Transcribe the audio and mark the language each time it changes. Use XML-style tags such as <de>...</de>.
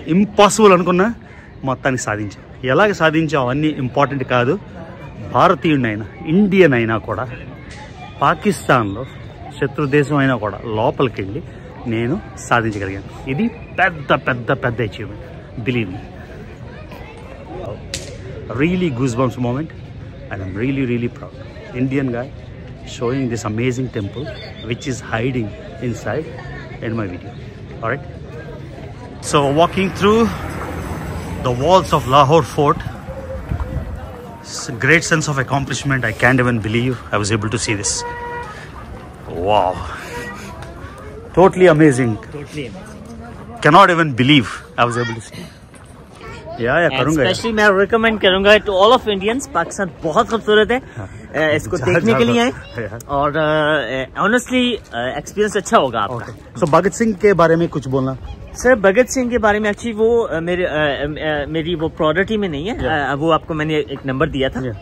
<te>Impossible అనుకున్నా మొత్తానికి సాధించాం. ఎలాగ సాధించాం అన్నీ ఇంపార్టెంట్ కాదు. భారతీయుడైనా ఇండియన్ అయినా కూడా పాకిస్తాన్లో శత్రుదేశం అయినా కూడా లోపలికి వెళ్ళి నేను సాధించగలిగాను. ఇది పెద్ద పెద్ద పెద్ద achievement,</te> <en>Believe me. Really goose bumps moment. I'm really really proud Indian guy showing this amazing temple which is hiding inside in my video. All right, so walking through the walls of Lahore fort, it's a great sense of accomplishment. I can't even believe I was able to see this. Wow, totally amazing, totally amazing. Cannot even believe I was able to see. Yeah, yeah,</en> <hi>करूंगा.</hi> <en>Especially मैं recommend करूंगा to all of Indians.</en> <hi>Pakistan बहुत खूबसूरत है, इसको देखने के लिए आए और honestly experience अच्छा होगा आपका. So भगत सिंह के बारे में कुछ बोलना. सर, भगत सिंह के बारे में एक्चुअली वो मेरे मेरी वो प्रायोरिटी में नहीं है. वो आपको मैंने एक नंबर दिया था.</hi>